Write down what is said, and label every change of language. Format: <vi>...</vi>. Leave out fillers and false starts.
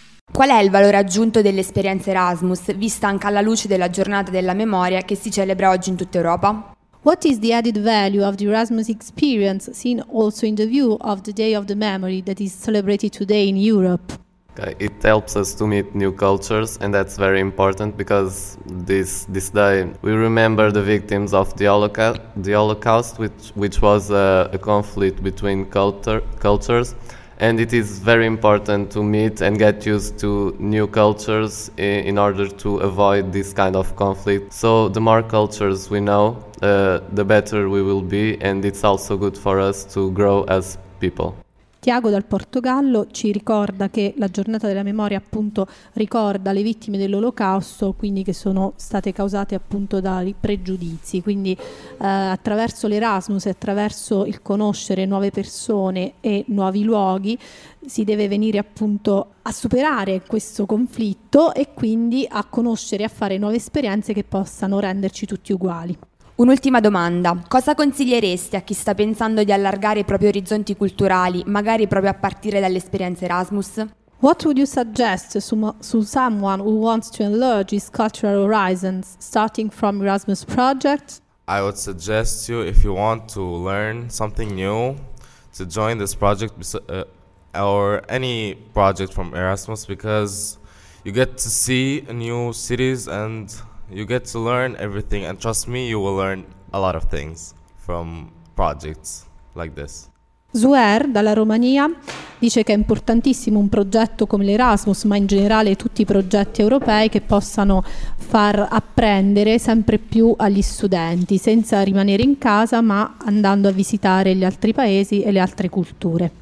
<it>Qual è il valore aggiunto dell'esperienza Erasmus, vista anche alla luce della giornata della memoria che si celebra oggi in tutta Europa?</it> <en>What is the added value of the Erasmus experience, seen also in the view of the Day of the Memory that is celebrated today in Europe? It helps us to meet new cultures, and that's very important because this day we remember the victims of the Holocaust, which was a conflict between cultures. And it is very important to meet and get used to new cultures in order to avoid this kind of conflict. So the more cultures we know, the better we will be, and it's also good for us to grow as people.</en> <it>Tiago dal Portogallo ci ricorda che la giornata della memoria appunto ricorda le vittime dell'Olocausto, quindi che sono state causate appunto dai pregiudizi. Quindi attraverso l'Erasmus e attraverso il conoscere nuove persone e nuovi luoghi si deve venire appunto a superare questo conflitto e quindi a conoscere e a fare nuove esperienze che possano renderci tutti uguali. Un'ultima domanda, cosa consiglieresti a chi sta pensando di allargare i propri orizzonti culturali, magari proprio a partire dall'esperienza Erasmus?</it> <en>What would you suggest to someone who wants to enlarge his cultural horizons, starting from Erasmus project? I would suggest you, if you want to learn something new, to join this project or any project from Erasmus, because you get to see new cities and you get to learn everything, and trust me, you will learn a lot of things from projects like this.</en> <it>Zuer, dalla Romania, dice che è importantissimo un progetto come l'Erasmus, ma in generale tutti i progetti europei che possano far apprendere sempre più agli studenti, senza rimanere in casa, ma andando a visitare gli altri paesi e le altre culture.</it>